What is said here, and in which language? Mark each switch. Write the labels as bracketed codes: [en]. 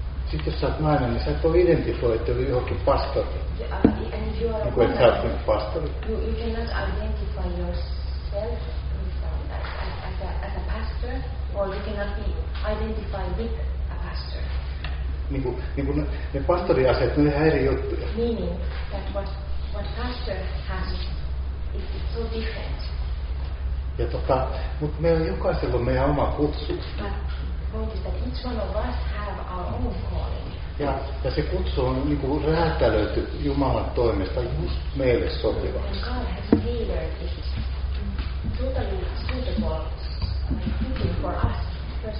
[fi] Sitten jos sä oot nainen, niin sä voi identifioitua johonkin pastori. [en] And if you are a woman, you cannot identify yourself with as a pastor, or you cannot be identified with a pastor. [fi] Niin kuin ne pastoriasiat, ne on ihan eri juttuja. [en] Meaning that what pastor has is so different. [fi] Ja mutta meillä jokaisella on meidän oma kutsu. [en] But point is that each one of us have our own calling. [fi] Ja se kutsu on niin kuin räätälöity Jumalan toimesta just meille sopivaksi. [en] And God has tailored it totally suitable for us.